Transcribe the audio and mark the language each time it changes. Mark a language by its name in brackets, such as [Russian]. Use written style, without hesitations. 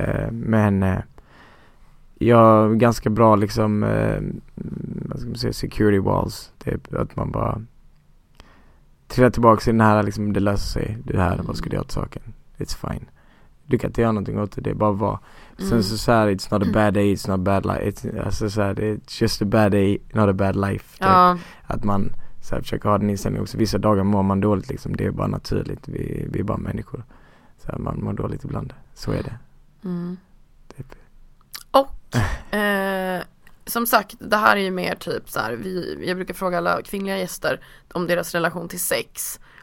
[Swedish] Men jag har ganska bra liksom vad ska man säga, security walls. Det är att man bara trillar tillbaka i den här liksom, det löser sig, det här, vad ska du göra åt saken? [English] It's fine. [Swedish] Du kan inte göra någonting åt det, det är bara vad. Sen så här, [English] it's not a bad day, it's not a bad life. [Swedish] Alltså så här, [English] it's just a bad day, not a bad life. [Swedish] Ja. Att man så här, försöker ha den inställningen också. Vissa dagar mår man dåligt liksom, det är bara naturligt. Vi är bara människor. Så här, man mår dåligt ibland. Så är det. Mm. Typ. Och som sagt, det här är ju mer typ så här, jag brukar fråga alla kvinnliga gäster om deras relation till sex.